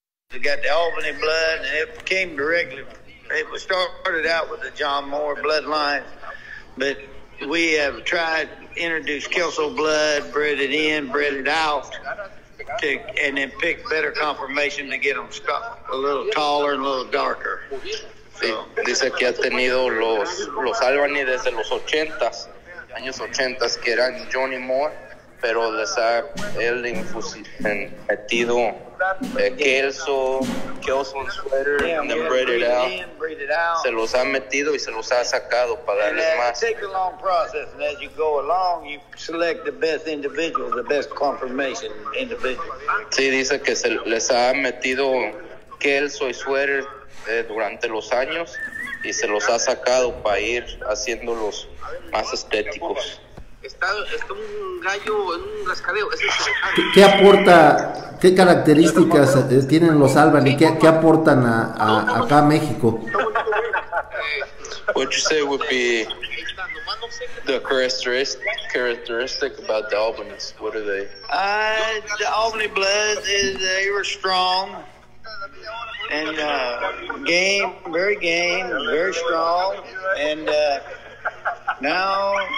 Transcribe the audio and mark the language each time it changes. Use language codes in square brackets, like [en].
[en] We got the Albany blood, and it came directly. It was started out with the John Moore bloodline, but we have tried introduce Kelso blood, bred it in, bred it out, and then pick better conformation to get them a little taller and a little darker. So. [es] Dice que ha tenido los Albany desde los 80s, años 80s, que eran Johnny Moore. Pero les ha él metido Kelso, Kelso en sweater, [en] and then bred it out. [es] Se los ha metido y se los ha sacado para darles más. [en] It takes a long process, and as you go along, you select the best individual, the best conformation individual. [es] Sí, dice que se les ha metido Kelso y sweater durante los años y se los ha sacado para ir haciéndolos más estéticos. Está un gallo en un rascadeo. ¿Qué aporta, qué características tienen los Albany? ¿Qué aportan a acá a México? [en] What you say would be the characteristic about the Albanys? What are they? The Albany blood is they were strong and game, very strong, and now.